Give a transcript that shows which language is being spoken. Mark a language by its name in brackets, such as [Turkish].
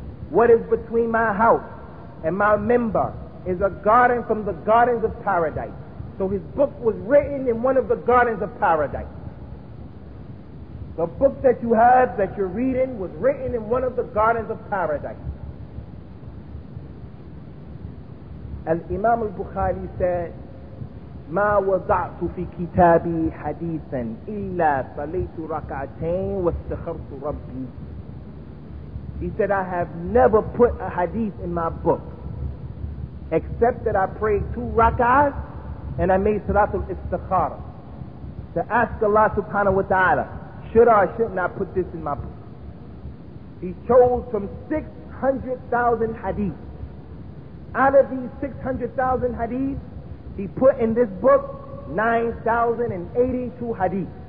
[English] What is between my house and my minbar is a garden from the gardens of paradise. So his book was written in one of the gardens of paradise. The book that you have, that you're reading, was written in one of the gardens of paradise. Al-Imam al-Bukhari said, [Arabic] ما وضعت في كتابي حديثا إلا صليت ركعتين واستخرت ربي. [English] He said, I have never put a hadith in my book except that I prayed two rak'ahs and I made salatul istikhara to ask Allah subhanahu wa ta'ala, should I or shouldn't I put this in my book? He chose from 600,000 hadith. Out of these 600,000 hadith, he put in this book 9,082 hadith.